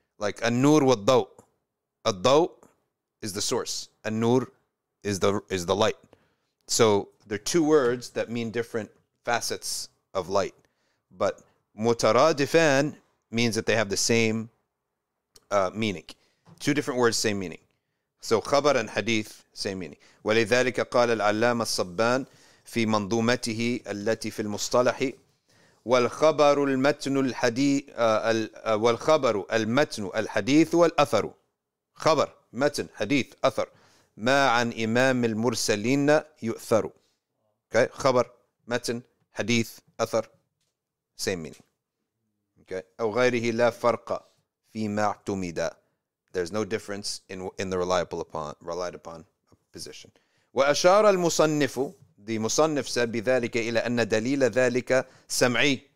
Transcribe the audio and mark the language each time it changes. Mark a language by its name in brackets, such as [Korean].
[English] Like an-nur wal-daw. Al-daw is the source. An-nur is the light. So they're two words that mean different facets of light. But mutaradifan means that they have the same meaning. Two different words, same meaning. So khabar and hadith, same meaning. [Arabic] وَلِذَلِكَ قَالَ الْعَلَّامَ الصَّبَّانِ فِي مَنْضُومَتِهِ الَّتِي فِي الْمُصْطَلَحِ والخبر المتن الحديث والخبر المتن الحديث والأثر. خبر متن حديث أثر ما عن إمام المرسلين يؤثر. [English] Okay. [Arabic] خبر متن حديث أثر [English] same meaning. Okay. [Arabic] أو غيره لا فرق فيما اعتمد. [English] There's no difference in the relied upon position. [Arabic] وأشار المصنف, [English] the مصنف said, [Arabic] بذلك إلى أن دليل ذلك سمعي.